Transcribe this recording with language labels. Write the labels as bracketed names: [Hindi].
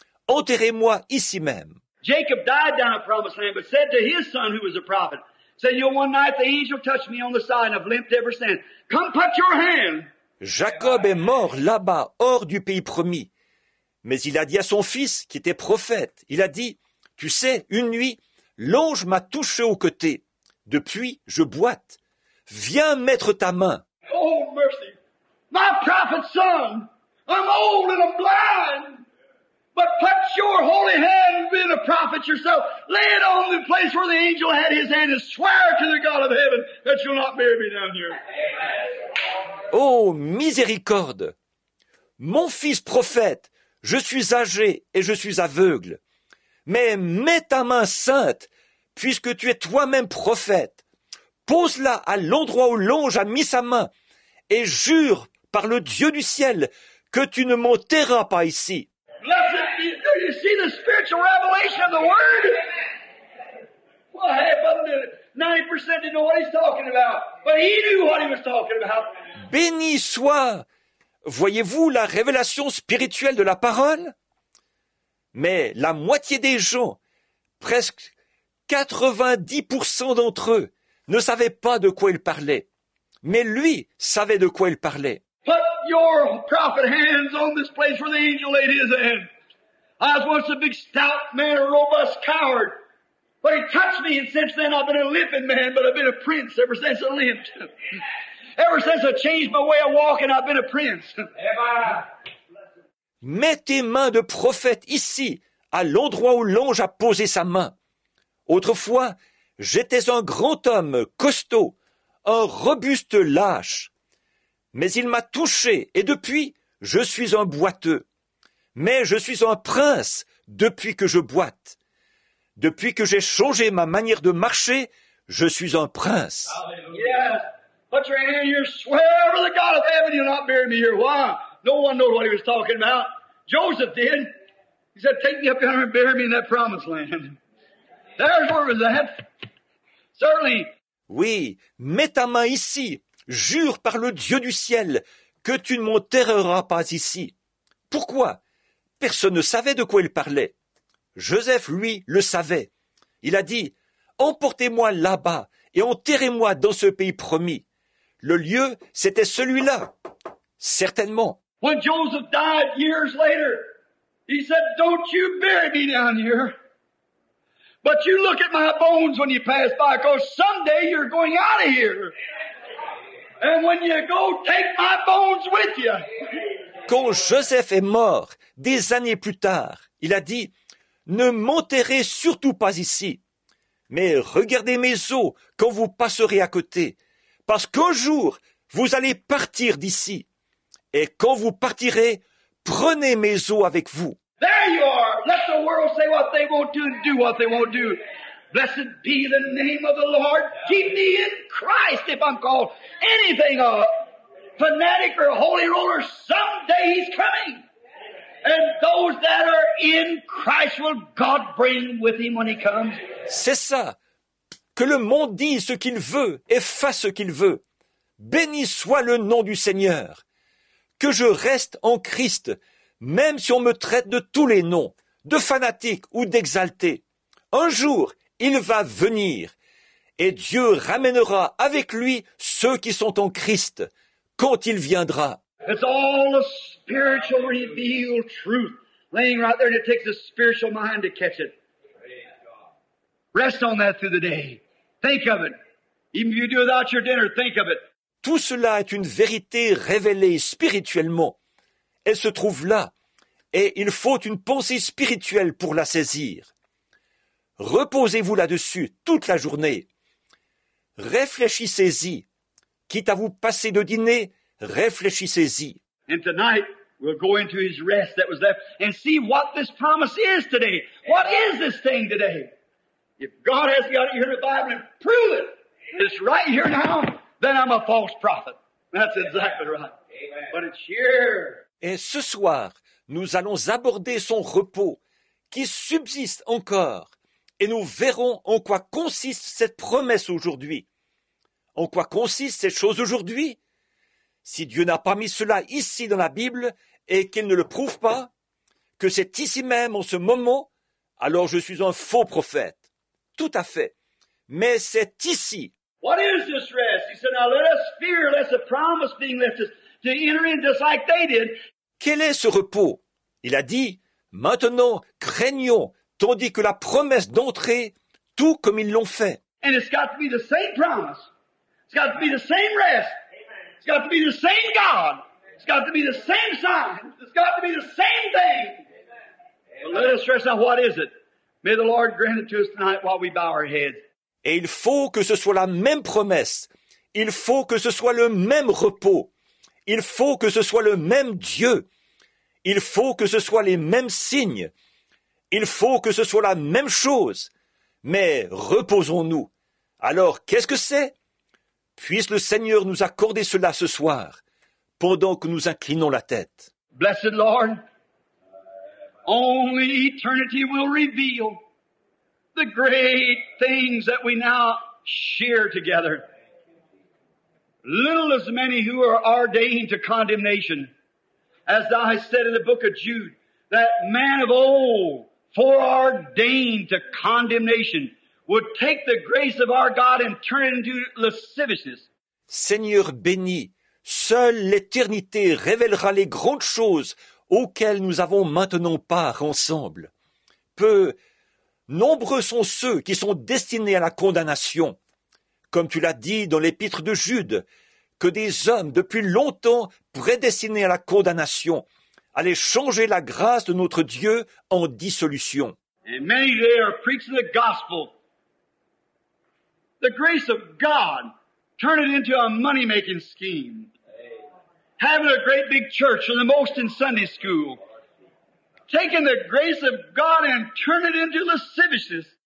[French] Enterrez-moi ici même. [English] Jacob died down in the promised land, but said to his son who was a prophet, said, you know, one night the angel touched me on the side and I've limped ever since. Come put your hand. [French] Jacob est mort là-bas, hors du pays promis. Mais il a dit à son fils, qui était prophète, il a dit, tu sais, une nuit, l'ange m'a touché au côté. Depuis, je boite. Viens mettre ta main. [English] Oh, mercy. My prophet son, I'm old and I'm blind. But put your holy hand and be the prophet yourself. Lay it on the place where the angel had his hand and swear to the God of heaven that you'll not bury me down here. [French] Oh, miséricorde! Mon fils prophète, je suis âgé et je suis aveugle. Mais mets ta main sainte, puisque tu es toi-même prophète. Pose-la à l'endroit où l'ange a mis sa main et jure par le Dieu du ciel que tu ne m'enterras pas ici. [English] You see the spiritual revelation of the word? Why, 90% didn't know what he's talking about, but he knew what he was talking about. [French] Béni soit, voyez-vous, la révélation spirituelle de la parole? Mais la moitié des gens, presque 90% d'entre eux, ne savaient pas de quoi il parlait. Mais lui savait de quoi il parlait. [English] Put your prophet hands on this place where the angel laid his hand. I was once a big stout man, a robust coward. But he touched me, and since then I've been a limping man, but I've been a prince ever since I limped. Ever since I changed my way of walking, I've been a prince. [French] Mets tes mains de prophète ici, à l'endroit où l'ange a posé sa main. Autrefois, j'étais un grand homme, costaud, un robuste lâche. Mais il m'a touché, et depuis, je suis un boiteux. Mais je suis un prince depuis que je boite. Depuis que j'ai changé ma manière de marcher, je suis un prince. [English] Yes. Put your hand here, swear to the God of heaven, you'll not bury me here. Why? No one knows what he was talking about. Joseph did. He said, take me up yonder and bury me in that promised land. There's where it was at. Certainly. [French] Oui, mets ta main ici. Jure par le Dieu du ciel que tu ne m'enterreras pas ici. Pourquoi? Personne ne savait de quoi il parlait. Joseph, lui, le savait. Il a dit, « Emportez-moi là-bas et enterrez-moi dans ce pays promis. » Le lieu, c'était celui-là. Certainement. [English] When Joseph died years later, he said, « Don't you bury me down here. But you look at my bones when you pass by, because someday you're going out of here. And when you go, take my bones with you. » [French] Quand Joseph est mort, des années plus tard, il a dit, « Ne m'enterrez surtout pas ici, mais regardez mes os quand vous passerez à côté, parce qu'un jour, vous allez partir d'ici. Et quand vous partirez, prenez mes os avec vous. » [English] There you are. Let the world say what they won't do and do what they won't do. Blessed be the name of the Lord. Keep me in Christ if I'm called anything of fanatic or holy ruler, someday he's coming. And those that are in Christ will God bring with him when he comes. [French] C'est ça. Que le monde dise ce qu'il veut et fasse ce qu'il veut. Béni soit le nom du Seigneur. Que je reste en Christ, même si on me traite de tous les noms, de fanatique ou d'exalté. Un jour, il va venir et Dieu ramènera avec lui ceux qui sont en Christ quand il viendra. [English] It's all a spiritual revealed truth laying right there, and it takes a spiritual mind to catch it. Rest on that through the day. Think of it. Even if you do without your dinner, think of it. [French] Tout cela est une vérité révélée spirituellement. Elle se trouve là, et il faut une pensée spirituelle pour la saisir. Reposez-vous là-dessus toute la journée. Réfléchissez-y. Quitte à vous passer de dîner, réfléchissez-y. [English] And tonight, we'll go into his rest that was left and see what this promise is today. What is this thing today? If God has got it here in the Bible and prove it, it's right here now, then I'm a false prophet. That's exactly right. Amen. But it's here. [French] Et ce soir, nous allons aborder son repos qui subsiste encore et nous verrons en quoi consiste cette promesse aujourd'hui. En quoi consiste cette chose aujourd'hui? Si Dieu n'a pas mis cela ici dans la Bible et qu'il ne le prouve pas, que c'est ici même en ce moment, alors je suis un faux prophète. Tout à fait. Mais c'est ici. [English] What is this rest? He said, now let us fear lest a promise being left us to enter in just like they did. [French] Quel est ce repos? Il a dit, maintenant craignons, tandis que la promesse d'entrer, tout comme ils l'ont fait. [English] And it's got to be the same promise. It's got to be the same rest. It's got to be the same God. It's got to be the same sign. It's got to be the same thing. Amen. Well, let us stress now, what is it? May the Lord grant it to us tonight while we bow our heads. [French] Et il faut que ce soit la même promesse. Il faut que ce soit le même repos. Il faut que ce soit le même Dieu. Il faut que ce soit les mêmes signes. Il faut que ce soit la même chose. Mais reposons-nous. Alors, qu'est-ce que c'est? Puisse le Seigneur nous accorder cela ce soir, pendant que nous inclinons la tête. [English] Blessed Lord, only eternity will reveal the great things that we now share together. Little as many who are ordained to condemnation, as thou hast said in the book of Jude, that man of old, foreordained to condemnation, would take the grace of our God and turn it into lasciviousness. [French] Seigneur béni, seule l'éternité révélera les grandes choses auxquelles nous avons maintenant part ensemble. Peu, nombreux sont ceux qui sont destinés à la condamnation. Comme tu l'as dit dans l'épître de Jude, que des hommes depuis longtemps prédestinés à la condamnation allaient changer la grâce de notre Dieu en dissolution. [English] And many there are preaching the gospel. The grace of God, turn it into a money-making scheme. Having a great big church and the most in Sunday school. Taking the grace of God and turn it into lasciviousness.